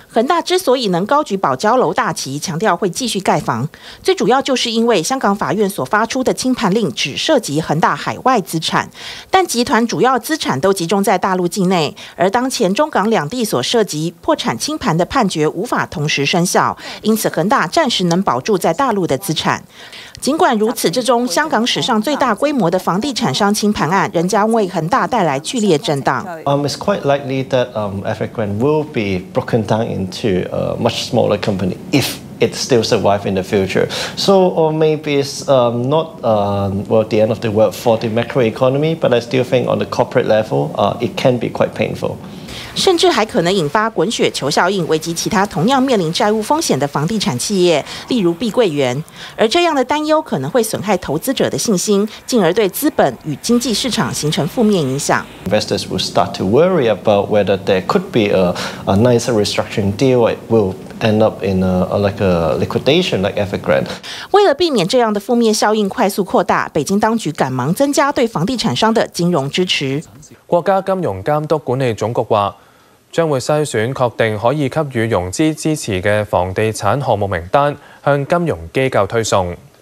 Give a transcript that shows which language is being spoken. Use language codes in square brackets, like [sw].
[zh] 恒大之所以能高举保交楼大旗，强调会继续盖房，最主要就是因为香港法院所发出的清盘令只涉及恒大海外资产，但集团主要资产都集中在大陆境内，而当前中港两地所涉及破产清盘的判决无法同时生效，因此恒大暂时能保住在大陆的资产。尽管如此，这宗香港史上最大规模的房地产商清盘案仍将为恒大带来剧烈震荡。 [en] It's quite likely that Evergrande will be broken down into a much smaller company if it still survives in the future. So, or maybe it's not the end of the world for the macroeconomy, but I still think on the corporate level, it can be quite painful. [zh] 甚至还可能引发滚雪球效应，危及其他同样面临债务风险的房地产企业，例如碧桂园。而这样的担忧可能会损害投资者的信心，进而对资本与经济市场形成负面影响。 [en] Investors will start to worry about whether there could be a nicer restructuring deal. It will end up in a liquidation like Evergrande. [zh] 为了避免这样的负面效应快速扩大，北京当局赶忙增加对房地产商的金融支持。国家金融监督管理总局话，将会筛选确定可以给予融资支持的房地产项目名单，向金融机构推送。